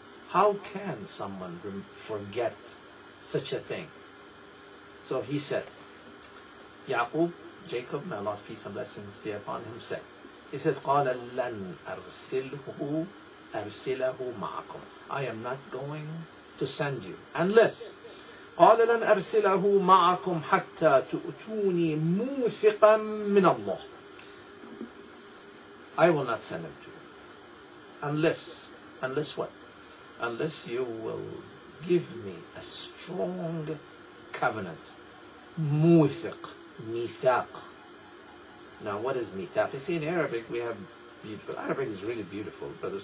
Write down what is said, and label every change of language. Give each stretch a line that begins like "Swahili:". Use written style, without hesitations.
English: How can someone forget such a thing? So he said, Yaqub, Jacob, may Allah's peace and blessings be upon him, said, he said,
Arabic: قَالَ لَنْ أَرْسِلْهُ أَرْسِلَهُ مَعَكُمْ.
English: I am not going to send you unless,
Arabic: قَالَ لَنْ أَرْسِلَهُ مَعَكُمْ حَتَّى تُؤْتُونِي مُوثِقًا مِنَ اللَّهِ.
English: I will not send him to you unless what? Unless you will give me a strong covenant. Muthiq, mithaq. Now, what is mithaq? You see, in Arabic, we have beautiful. Arabic is really beautiful, brothers.